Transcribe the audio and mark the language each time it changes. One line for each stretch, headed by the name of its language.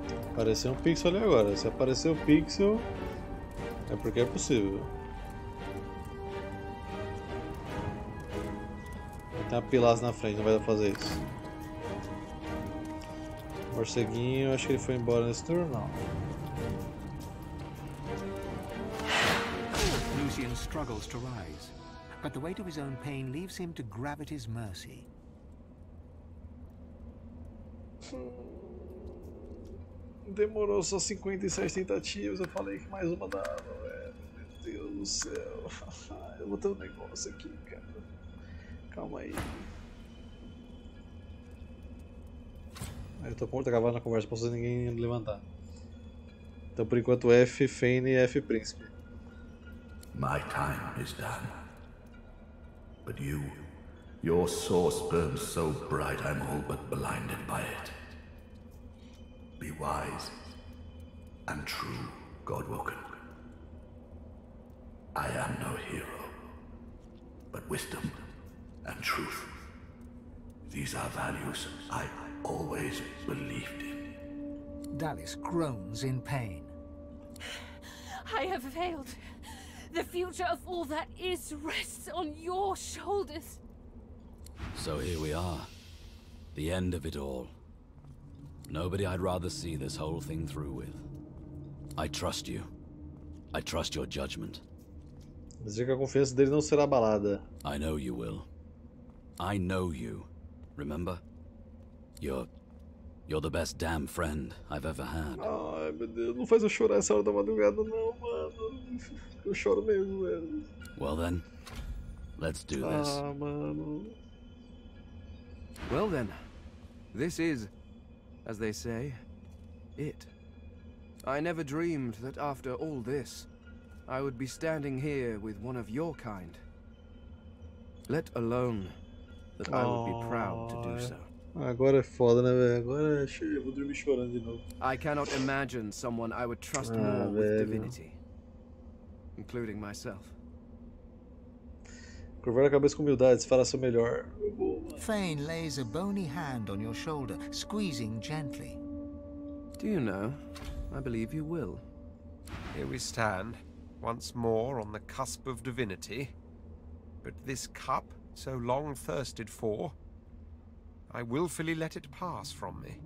Portuguese: Apareceu um pixel ali agora. Se aparecer um pixel, é porque é possível. Tem uma pilaça na frente, não vai dar pra fazer isso. Morceguinho, acho que ele foi embora nesse turno, não.
English: Lucian struggles to rise, but the weight of his own pain leaves him to gravity's mercy.
Portuguese: Demorou só 56 tentativas, eu falei que mais uma dava, velho. Meu Deus do céu. Eu vou ter um negócio aqui, cara. Calma aí. Eu tô com outra gravada na conversa pra ninguém levantar. Então por enquanto F Fane e F Príncipe.
English: My time is done. But you, your source burns so bright I'm all but blinded by it. Be wise and true, Godwoken. I am no hero, but wisdom and truth. These are values I always believed in. Dallas groans in pain. I have failed. The future of all that is rests on your shoulders. So here we are, the end of it all. Nobody I'd rather see this whole thing through with. I trust you. I trust your judgment.
Portuguese: Dizer que a confiança dele não será abalada.
English: I know you will. I know you. Remember? You're the best damn friend I've ever had.
Portuguese: Ai, meu Deus, não faz eu chorar essa hora da madrugada não, mano. Eu choro mesmo, velho.
English: Well then, let's do this.
Portuguese: Ah, mano.
English: Well then, this is, as they say, it. I never dreamed that after all this, I would be standing here with one of your kind. Let alone that I would be proud to do so.
Portuguese: Agora é foda, né, velho? Agora é cheio, vou dormir chorando de novo.
English: I cannot imagine someone I would trust more with divinity, including myself.
Portuguese: Curvar a cabeça com humildade, se fará seu melhor.
English: Fane lays a bony hand on your shoulder, squeezing gently. Do you know? I believe you will. Here we stand, once more on the cusp of divinity. But this cup, so long thirsted for, I willfully let it pass from me.